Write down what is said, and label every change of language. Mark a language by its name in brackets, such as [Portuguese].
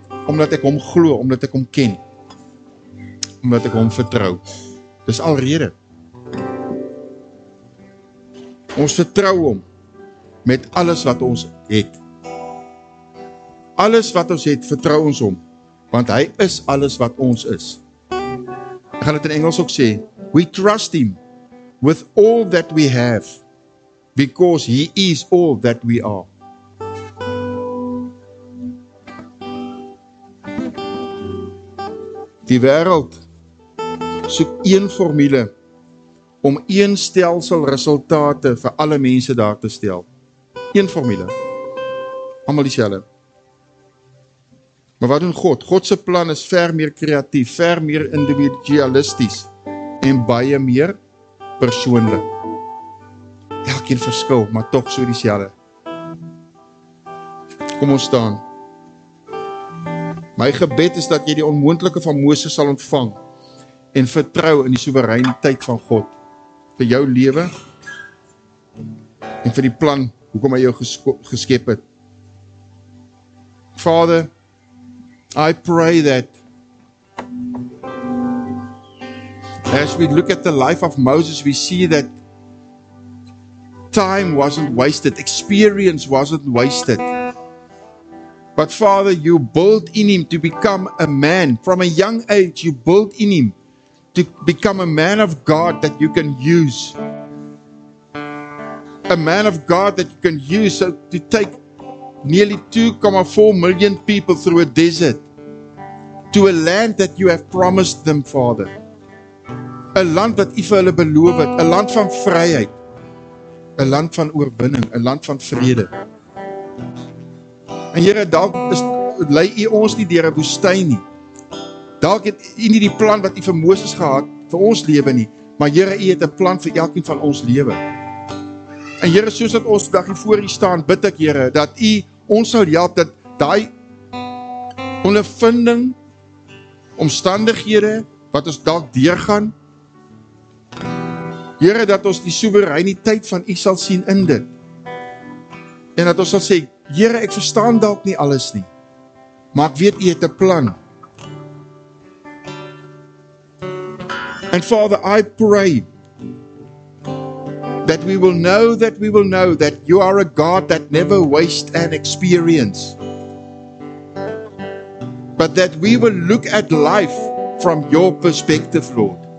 [Afrikaans] Omdat ek hom glo, omdat ek hom ken. Omdat ek hom vertrou. Dis al rede. Ons vertrou hom met alles wat ons het. Alles wat ons het, vertrou ons hom. Want hy is alles wat ons is. Ek gaan dit in Engels ook sê. [English] We trust him with all that we have. Because he is all that we are. [Afrikaans] Die wêreld soek een formule om een stelsel resultate vir alle mense daar te stel. Een formule. Almal dieselfde. Maar wat doen God? God se plan is ver meer kreatief, ver meer individualisties en baie meer persoonlik. Elkeen verskil, maar tog so dieselfde. Kom ons staan. My gebed is dat jy die onmoontlike van Moses sal ontvang. En vertrou in die soewereiniteit van God vir jou lewe en vir die plan hoekom hy jou geskep het. [English] Father, I pray that as we look at the life of Moses, we see that time wasn't wasted, experience wasn't wasted. But Father, you built in him to become a man. From a young age, you built in him to become a man of God that you can use. A man of God that you can use to take nearly 2.4 million people through a desert. to a land that you have promised them, Father. [Afrikaans] 'N land wat U vir hulle beloof het, 'n land van vryheid, 'n land van oorwinning, 'n land van vrede. En Here, dalk lei U ons nie deur 'n woestyn nie. Dalk het U nie die plan wat U vir Moses gehad vir ons lewe nie, maar Here, U het 'n plan vir elkeen van ons lewe. En Here, soos dat ons vandag hier voor U staan, bid ek Here dat U ons sal help dat daai ondervinding, omstandighede wat ons dalk deurgaan, Here, dat ons die soewereiniteit van U sal sien in dit. En dat ons sal sê, Here, ek verstaan dalk nie alles nie, maar ek weet U het 'n plan. [English] And Father, I pray that we will know that we will know that You are a God that never wastes an experience, but that we will look at life from Your perspective, Lord.